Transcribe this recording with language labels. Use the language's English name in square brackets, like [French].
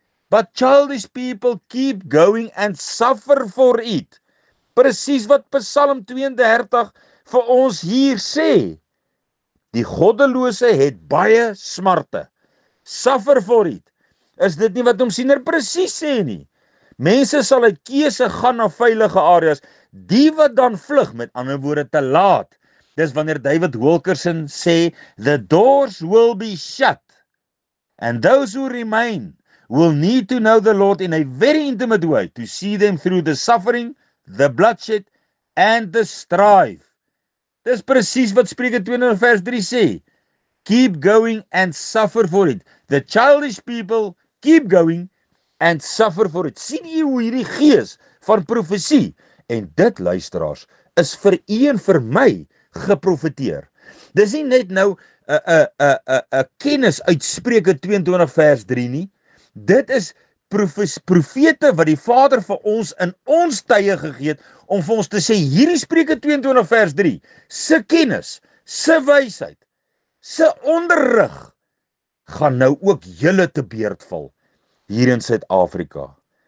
[English] But childish people keep going and suffer for it. [Afrikaans] Presies wat Psalm 32 vir ons hier sê. Die goddelose het baie smarte. [English] Suffer for it. [Afrikaans] Is dit nie wat hom siener presies sê nie? Mense sal uit keuse gaan na veilige areas. Die wat dan vlug, met ander woorde te laat. Dis wanneer David Wilkerson sê, [English] the doors will be shut. And those who remain will need to know the Lord in a very intimate way to see them through the suffering, the bloodshed and the strife. [Afrikaans] Dis presies wat Spreuke 22 vers 3 sê. [English] Keep going and suffer for it. The childish people keep going and suffer for it. [Afrikaans] Sien jy hoe hierdie gees van profesie, en dit luisteraars, is vir u en vir my geprofeteer. Dis nie net nou 'n kennis uit Spreuke 22 vers 3 nie. Dit is profete wat die Vader vir ons in ons tye gegee het om vir ons te sê, hierdie Spreuke 22 vers 3, se kennis, se wysheid, se onderrig, gaan nou ook julle te beurt val hier in Suid-Afrika.